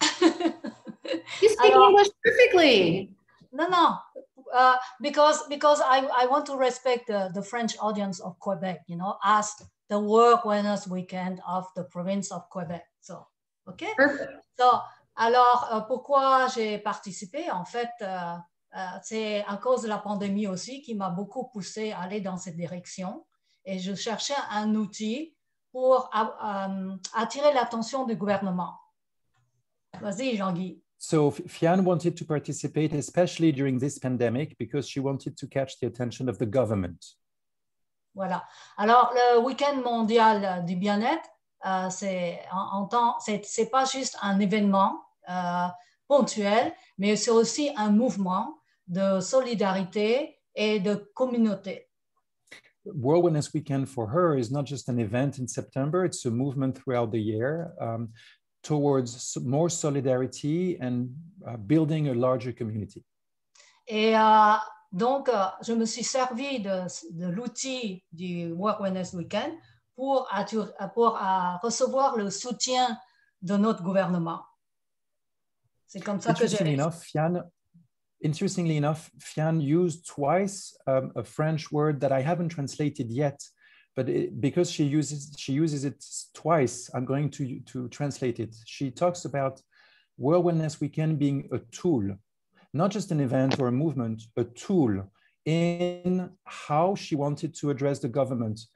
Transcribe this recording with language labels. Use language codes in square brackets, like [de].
[en] you speak English perfectly. No. Because I want to respect the French audience of Quebec, as the World Wellness Weekend of the province of Quebec. So, okay. Perfect. [fr] So, alors, pourquoi j'ai participé? En fait, c'est à cause de la pandémie aussi qui m'a beaucoup poussé à aller dans cette direction. Et je cherchais un outil pour attirer l'attention du gouvernement. Vas-y, Jean-Guy. [en] So, Phiane wanted to participate, especially during this pandemic, because she wanted to catch the attention of the government. [fr] Voilà. Alors, le week-end mondial du bien-être, c'est pas juste un événement ponctuel, mais c'est aussi un mouvement de solidarité et de communauté. [en] World Wellness Weekend for her is not just an event in September, it's a movement throughout the year towards more solidarity and building a larger community. [fr] Et donc, je me suis servi de l'outil du World Wellness Weekend pour recevoir le soutien de notre gouvernement. C'est comme ça que j'ai... [en] Interestingly enough, Phiane used twice a French word that I haven't translated yet, but because she uses it twice, I'm going to translate it. She talks about World Wellness Weekend being a tool, not just an event or a movement, a tool in how she wanted to address the government.